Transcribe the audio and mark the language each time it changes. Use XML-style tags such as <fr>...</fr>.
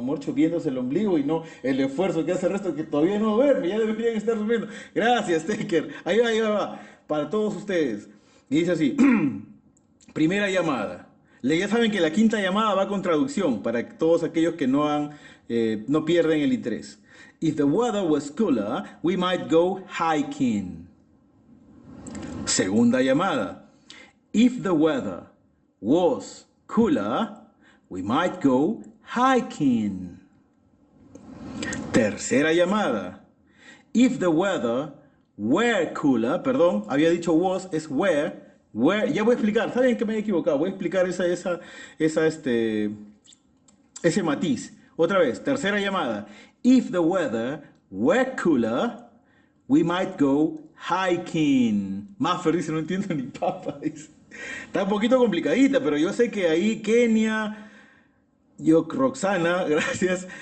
<es>Morcho viéndose el ombligo y no el esfuerzo que hace el resto que todavía no duerme. Ya deberían estar durmiendo. Gracias, Taker. Ahí va, va. Para todos ustedes. Y dice así. Primera llamada. Ya saben que la quinta llamada va con traducción para todos aquellos que no pierden el interés.</es> <en>If the weather was cooler, we might go hiking.</en> <es>Segunda llamada.</es> <en>If the weather was cooler, we might go hiking.</en> <es>Tercera llamada.</es> <en>If the weather were cooler,</en> <es>perdón, había dicho was, es where. Ya voy a explicar. ¿Saben que me he equivocado? Voy a explicar ese matiz. Otra vez. Tercera llamada.</es> <en>If the weather were cooler, we might go hiking.</en> <es>Maffer dice, no entiendo ni papa. Dice. Está un poquito complicadita, pero yo sé que ahí Kenia, yo Roxana, gracias.</es>